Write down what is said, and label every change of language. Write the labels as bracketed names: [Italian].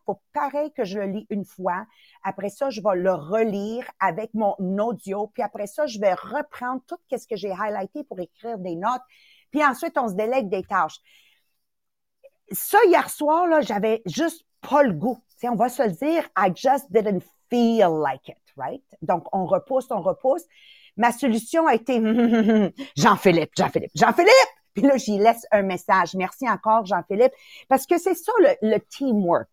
[French] Faut pareil que je le lis une fois. Après ça, je vais le relire avec mon audio. Puis après ça, je vais reprendre tout ce que j'ai highlighté pour écrire des notes. Puis ensuite, on se délègue des tâches. Ça, hier soir, là, j'avais juste pas le goût. T'sais, on va se le dire, [English] I just didn't feel like it, right? [French] Donc, on repousse. Ma solution a été Jean-Philippe. Puis là, j'y laisse un message. Merci encore, Jean-Philippe. Parce que c'est ça le teamwork.